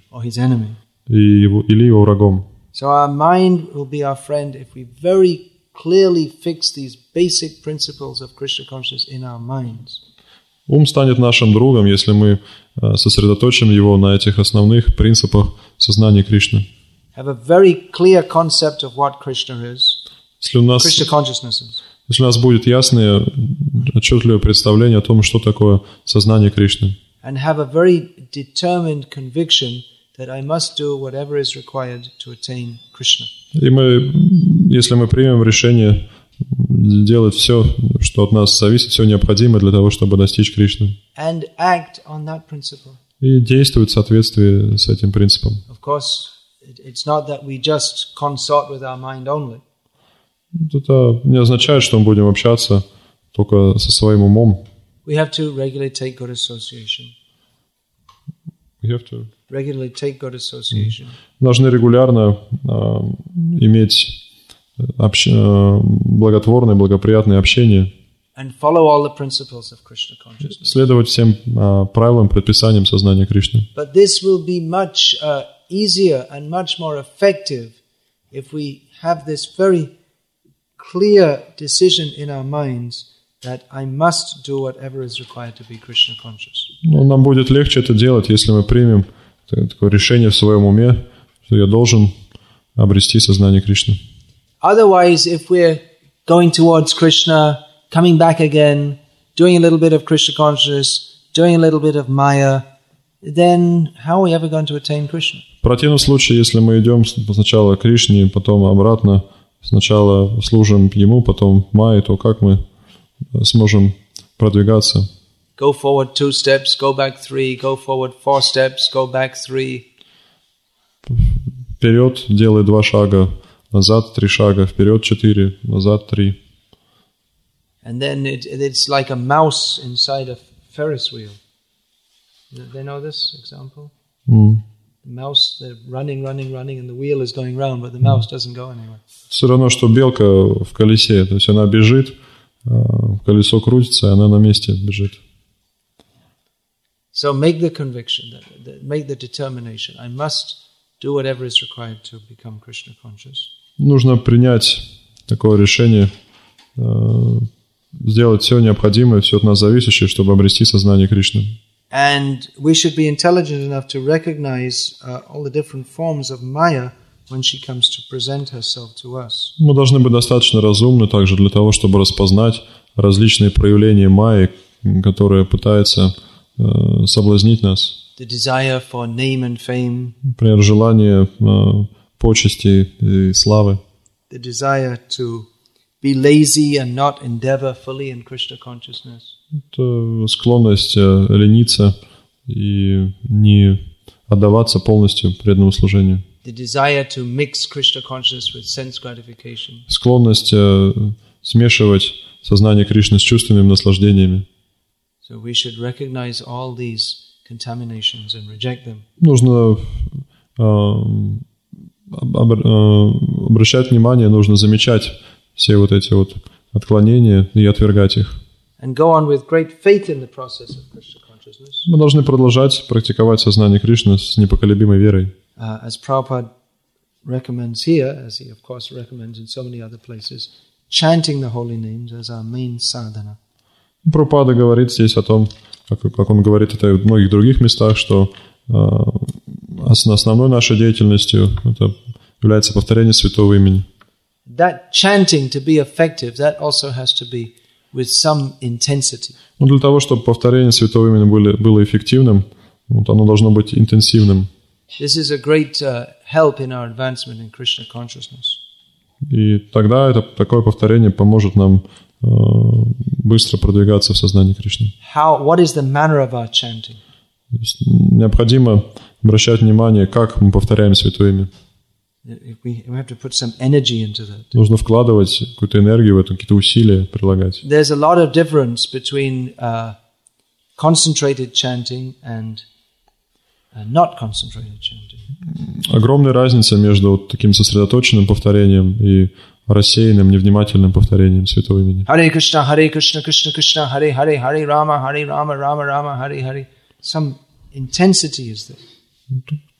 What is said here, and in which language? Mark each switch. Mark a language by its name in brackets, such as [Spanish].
[English] Or his enemy. [Russian] Или его врагом. [English] So our mind will be our friend if we very clearly fix these basic principles of Krishna consciousness in our minds. [Russian] Ум станет нашим другом, если мы сосредоточим его на этих основных принципах сознания Кришны. [English] Have a very clear concept of what Krishna is. Krishna consciousness is. [Russian] Если у нас будет ясное, отчетливое представление о том, что такое сознание Кришны. [English] And have a very determined conviction that I must do whatever is required to attain Krishna. [Russian] И мы, если мы примем решение делать все, что от нас зависит, все необходимое для того, чтобы достичь Кришны. [English] And act on that principle. [Russian] И действовать в соответствии с этим принципом. [English] Of course, it's not that we just consort with our mind only. [Russian] Это не означает, что мы будем общаться только со своим умом. [English] We have to regularly take good association. We have to regularly take good association. [Russian] Мы должны регулярно иметь благотворное, благоприятное общение. [English] and follow all the principles of Krishna consciousness. [Russian] Следовать всем правилам, предписаниям сознания Кришны. [English] But this will be much easier and much more effective if we have this very clear decision in our minds that I must do whatever is required to be Krishna conscious. [Russian] Ну, нам будет легче это делать, если мы примем такое решение в своем уме, что я должен обрести сознание Кришны. [English] Otherwise, if we're going towards Krishna, coming back again, doing a little bit of Krishna consciousness, doing a little bit of Maya, then how are we ever going to attain Krishna? [Russian] В противном случае, если мы идем сначала к Кришне, потом обратно, сначала служим Ему, потом Майе, то как мы сможем продвигаться? [English] Go forward 2 steps, go back 3, go forward 4 steps, go back 3. [Russian] Вперед, делай 2 шага, назад 3 шага, вперед 4, назад 3. [English] And then it's like a mouse inside a Ferris wheel. They know this example? The mouse, they're running, and the wheel is going round, but the mouse doesn't go anywhere. [Russian] Все равно, что белка в колесе, то есть она бежит, колесо крутится, и она на месте бежит. [English] So make the conviction, make the determination. I must do whatever is required to become Krishna conscious. [Russian] Нужно принять такое решение, сделать все необходимое, все от нас зависящее, чтобы обрести сознание Кришны. [English] And we should be intelligent enough to recognize all the different forms of Maya when she comes to present herself to us. [Russian] Мы должны быть достаточно разумны также для того, чтобы распознать различные проявления Майи, которая пытается соблазнить нас. [English] The desire for name and fame. [Russian] Например, желание почести и славы. [English] The desire to be lazy and not endeavor fully in Krishna consciousness. [Russian] Это склонность лениться и не отдаваться полностью преданному служению. [English] The desire to mix Krishna consciousness with sense gratification. [Russian] Склонность смешивать сознание Кришны с чувственными наслаждениями. [English] So we should recognize all these contaminations and reject them. [Russian] Нужно обращать внимание, нужно замечать все вот эти вот отклонения и отвергать их. [English] And go on with great faith in the process of Krishna consciousness. [Russian] Мы должны продолжать практиковать сознание Кришны с непоколебимой верой. [English] As Prabhupada recommends here, as he of course recommends in so many other places, chanting the holy names as our main sadhana. [Russian] Прабхупада говорит здесь о том, как он говорит это в многих других местах, что основной нашей деятельностью это является повторение святого имени. [English] That chanting to be effective, that also has to be with some intensity. [Russian] Но для того, чтобы повторение святого имени было эффективным, вот оно должно быть интенсивным. [English] This is a great help in our advancement in Krishna consciousness. [Russian] И тогда это такое повторение поможет нам быстро продвигаться в сознании Кришны. [English] How, what is the manner of our chanting? [Russian] То есть необходимо обращать внимание, как мы повторяем святое имя. [English] We have to put some energy into that. [Russian] Нужно вкладывать какую-то энергию в это, какие-то усилия прилагать. [English] There's a lot of difference between concentrated chanting and not concentrated chanting. [Russian] Огромная разница между вот таким сосредоточенным повторением и рассеянным, невнимательным повторением святого имени. [Sanskrit] Hare Krishna, Hare Krishna, Krishna Krishna, Hare Hare, Hare Rama, Hare Rama, Rama Rama, Hare Hare. [English] Some intensity is there.